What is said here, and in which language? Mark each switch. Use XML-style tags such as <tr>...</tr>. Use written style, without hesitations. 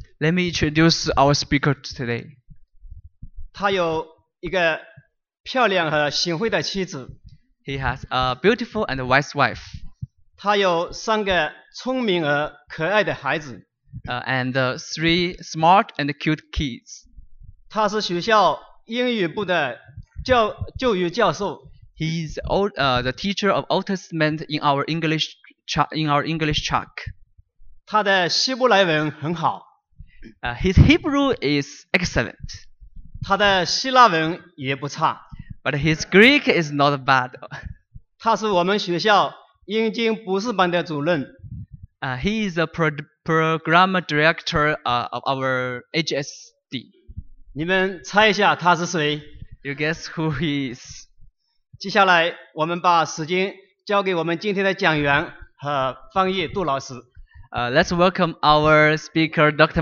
<en>Let me introduce our speaker today.</en> <zh>他有一个漂亮和贤惠的妻子。</zh> <en>He has a beautiful and wise wife.</en> <zh>他有三个聪明而可爱的孩子。</zh> <en>And three smart and cute kids.</en> <zh>他是学校英语部的教授。</zh> <en>He is the teacher of Old Testament in our English class. In our English track.</en> <zh>他的希伯来文很好。</zh> <en>His Hebrew is excellent.</en> <zh>他的希腊文也不差。</zh> <en>But his Greek is not bad.</en> <zh>他是我们学校英经博士班的主任。</zh> <en>He is the program director of our HSD.</en> <zh>你们猜一下他是谁？</zh> <en>You guess who he is.</en> <zh>接下来我们把时间交给我们今天的讲员。和翻译杜老师。</zh> <en>Let's welcome our speaker, Dr.</en>